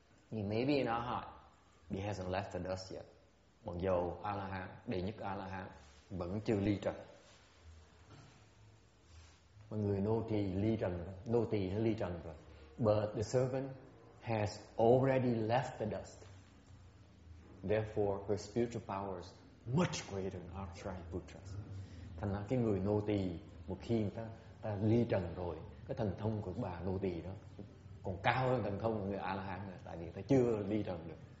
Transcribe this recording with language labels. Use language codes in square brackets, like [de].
[en] Maybe in our heart, he hasn't left the dust yet. [vi] Mặc dù A-la-hán, đệ nhất A-la-hán vẫn chưa ly trần. Mà người nô tỳ ly trần, nô tỳ đã ly trần rồi. [en] But the servant has already left the dust. Therefore, her spiritual powers much greater than Ārśāriputra's. [vi] Thành ra cái người nô tỳ một khi ta ly trần rồi, cái thần thông của bà nô tỳ đó còn cao hơn thần thông của người A-la-hán nữa, tại vì ta chưa ly trần được.